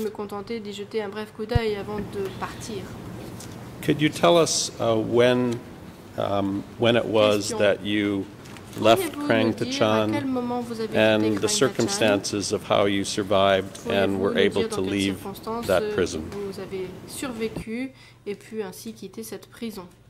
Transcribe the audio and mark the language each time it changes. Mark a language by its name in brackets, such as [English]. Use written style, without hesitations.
[French] Dû me contenter d'y jeter un bref coup d'œil avant de partir. [English] Could you tell us when it was Question. That you left Krang Tachan and the circumstances of how you survived [French] Pouvez [English] and were able to leave that prison? [French] Vous avez survécu et pu ainsi quitter cette prison.